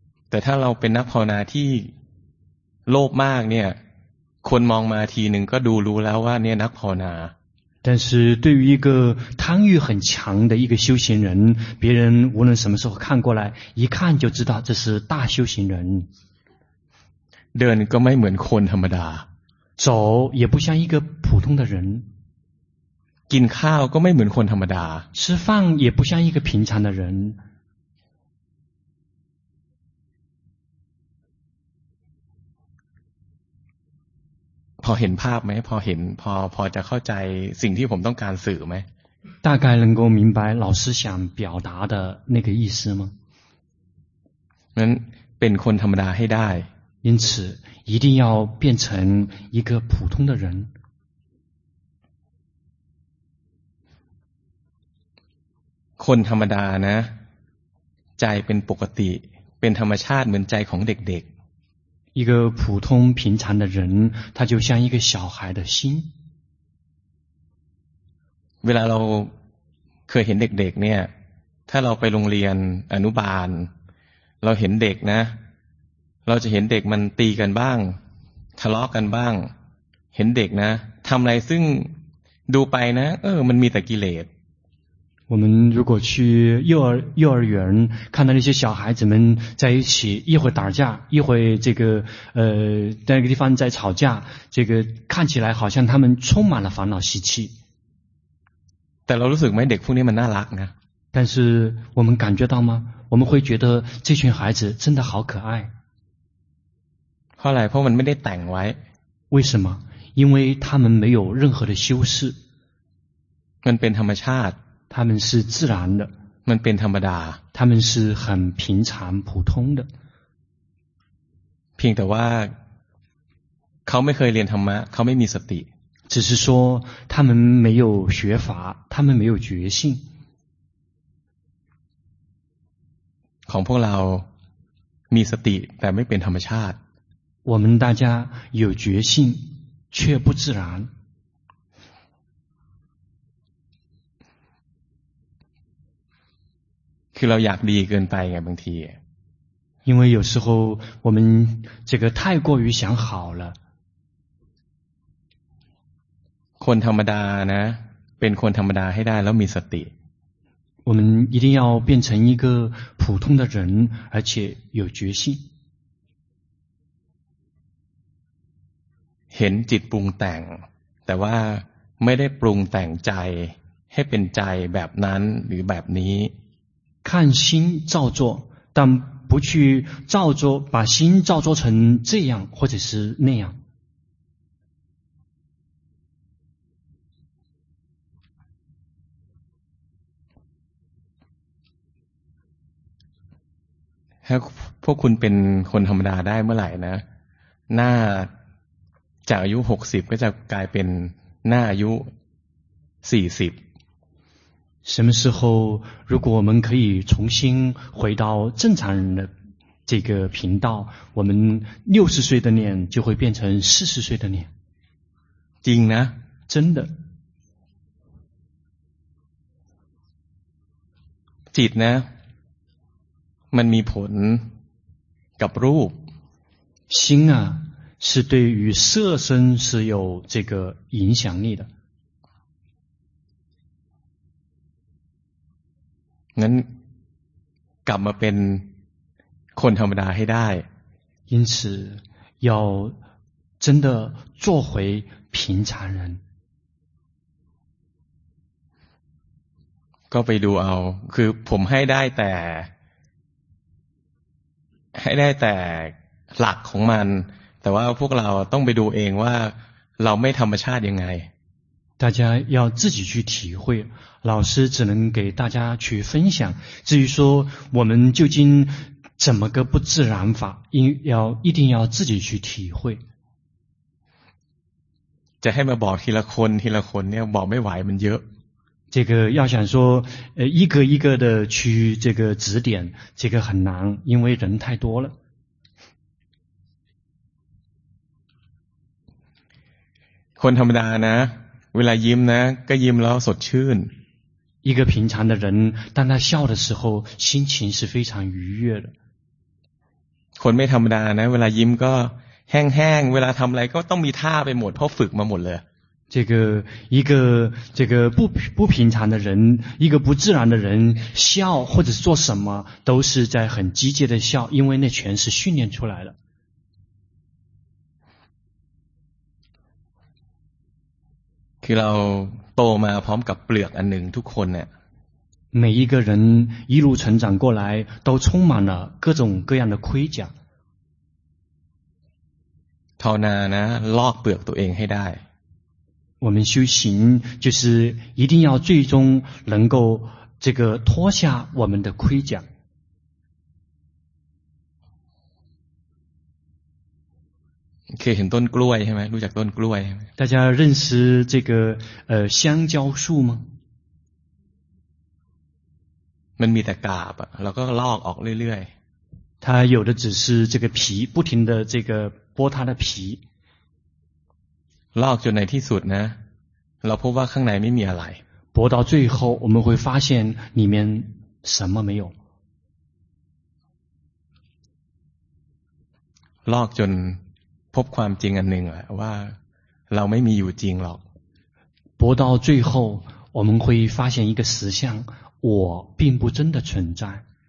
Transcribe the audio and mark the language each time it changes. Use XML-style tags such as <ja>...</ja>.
<th>แต่ถ้าเราเป็นนักภาวนาที่โลภมากเนี่ยคนมองมาทีหนึ่งก็ดูรู้แล้วว่าเนี่ยนักภาวนา</th> <zh>แต่是对于一个贪欲很强的一个修行人别人无论什么时候看过来一看就知道这是大修行人</zh> <th>เดินก็ไม่เหมือนคนธรรมดา</th> <zh>走也不像一个普通的人</zh> <th>กินข้าวก็ไม่เหมือนคนธรรมดา</th> <zh>吃饭也不像一个平常的人</zh> <th>พอเห็นภาพไหมพอเห็นพอจะเข้าใจสิ่งที่ผมต้องการสื่อไหม</th> <zh>大概能够明白老师想表达的那个意思吗</zh> <th>นั้นเป็นคนธรรมดาให้ได้</th> <zh>因此一定要变成一个普通的人。</zh> <th>คนธรรมดานะใจเป็นปกติเป็นธรรมชาติเหมือนใจของเด็ก</th> <zh>ๆ一个普通平常的人他就像一个小孩的心</zh> <th>เวลาเราเคยเห็นเด็กๆเนี่ยถ้าเราไปโรงเรียนอนุบาลเราเห็นเด็กนะเราจะเห็นเด็กมันตีกันบ้างทะเลาะ กันบ้างเห็นเด็กนะทำอะไรซึ่งดูไปนะมันมีแต่กิเลส</th> <zh>我们如果去幼儿园看到那些小孩子们在一起一会打架一会这个在那个地方在吵架这个看起来好像他们充满了烦恼习气</zh> <th>แต่เรารู้สึกไหมเด็กพวกนี้มันน่ารักนะ</th> <zh>但是我们感觉到吗我们会觉得这群孩子真的好可爱</zh> <th>เพราะอะไรเพราะมันไม่ได้แต่งไว้</th> <zh>为什么因为他们没有任何的修饰</zh> <th>มันเป็นธรรมชาติ</th> <zh>他们是自然的</zh> <th>มันเป็นธรรมดา</th> <zh>他们是很平常普通的</zh> <th>เพียงแต่ว่าเขาไม่เคยเรียนธรรมะเขาไม่มีสติ</th> <zh>只是说他们没有学法他们没有觉性</zh> <th>ของพวกเรามีสติแต่ไม่เป็นธรรมชาติ</th> <zh>我们大家有觉性却不自然</zh> <th>คือเราอยากดีเกินไปไงบางที</th> <zh>因为有时候我们这个太过于想好了</zh> <th>คนธรรมดานะเป็นคนธรรมดาให้ได้แล้วมีสติ</th> <zh>我们一定要变成一个普通的人而且有决心</zh> <th>เห็นจิตปรุงแต่งแต่ว่าไม่ได้ปรุงแต่งใจให้เป็นใจแบบนั้นหรือแบบนี้</th> <zh>看心造作但不去造作把心造作成这样或者是那样</zh> <th>ถ้าพวกคุณเป็นคนธรรมดาได้เมื่อไหร่นะหน้าจากอายุ60ก็จะกลายเป็นหน้าอายุ40</th> <zh>什么时候如果我们可以重新回到正常人的这个频道我们60岁的脸就会变成40岁的脸</zh> <th>จริงนะ</th> <zh>真的</zh> <th>จิตนะมันมีผลกับรูป</th> <zh>心啊是对于色身是有这个影响力的</zh> <th>งั้นกลับมาเป็นคนธรรมดาให้ได้</th> <zh>因此要真的做回平常人</zh> <th>ก็ไปดูเอาคือผมให้ได้แต่ให้ได้แต่หลักของมันแต่ว่าพวกเราต้องไปดูเองว่าเราไม่ธรรมชาติยังไง</th> <zh>大家要自己去体会老师只能给大家去分享至于说我们究竟怎么个不自然法要一定要自己去体会</zh> <th>จะให้มาบอกทีละคนทีละคนเนี่ยบอกไม่ไหวมันเยอะ</th> <zh>这个要想说一个一个的去这个指点这个很难因为人太多了</zh> <th>คนธรรมดานะเวลายิ้มนะก็ยิ้มแล้วสดชื่น</th> <zh>一个平常的人当他笑的时候心情是非常愉悦的</zh> <th>คนไม่ธรรมดานะเวลายิ้มก็แห้งๆเวลาทําอะไรก็ต้องมีท่าไปหมดเพราะฝึกมาหมดเลย</th> <zh>这个一个这个不平常的人一个不自然的人笑或者做什么都是在很积极的笑因为那全是训练出来了</zh> <th>คือเราโตมาพร้อมกับเปลือกอันหนึ่งทุกคนเนี่ย</th> <zh>每一个人一路成长过来都充满了各种各样的盔甲</zh> <th>ภาวนานะลอกเปลือกตัวเองให้ได้</th> <zh>我们修行就是一定要最终能够这个脱下我们的盔甲可以很多</zh> <th>กล้วยใช่ไหมรู้จักต้นกล้วย</th> <zh>大家认识这个香蕉树吗</zh> <th>มันมีแต่กาบแล้วก็ลอกออกเรื่อย</th> <zh>ๆ它有的只是这个皮不停的这个剥它的皮</zh> <th>ลอกจนในที่สุดนะเราพบว่าข้างในไม่มีอะไร</th> <zh>剥到最后我们会发现里面什么没有</zh> <th>ลอกจนพบความจริงอันหนึ่งแหละว่าเราไม่มีอยู่จริงหรอก</th> <zh>博到最后我们会发现一个实相我并不真的存在</zh>